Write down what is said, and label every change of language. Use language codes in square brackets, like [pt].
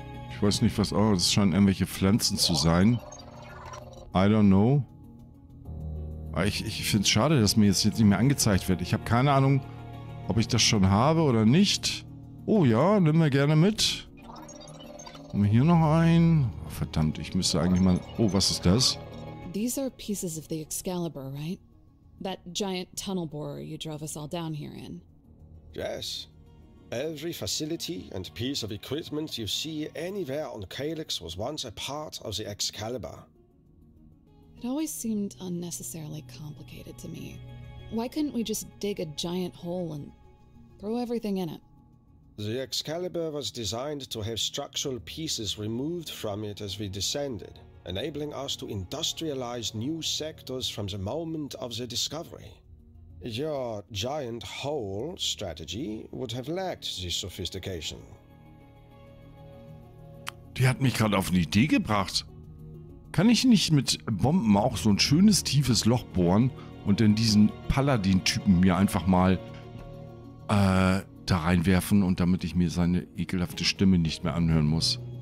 [de] Ich weiß nicht, was... Oh, das scheinen irgendwelche Pflanzen zu sein. [en] I don't know. [de] Ich finde es schade, dass mir jetzt nicht mehr angezeigt wird. Ich habe keine Ahnung, ob ich das schon habe oder nicht. Oh ja, nehmen wir gerne mit. Nehmen wir hier noch einen. Verdammt, ich müsste eigentlich mal... Oh, was ist das? [en] These are pieces of the Excalibur, right? That giant tunnel borer you drove us all down here in. Yes. Every facility and piece of equipment you see anywhere on Calyx was once a part of the Excalibur. It always seemed unnecessarily complicated to me. Why couldn't we just dig a giant hole and throw everything in it? The Excalibur was designed to have structural pieces removed from it as we descended, enabling us to industrialize new sectors from the moment of the discovery. Your giant hole strategy would have lacked the sophistication. [de] Die hat mich gerade auf eine Idee gebracht. Kann ich nicht mit Bomben auch so ein schönes tiefes Loch bohren und dann diesen Paladin-Typen mir einfach mal da reinwerfen und damit ich mir seine ekelhafte Stimme nicht mehr anhören muss?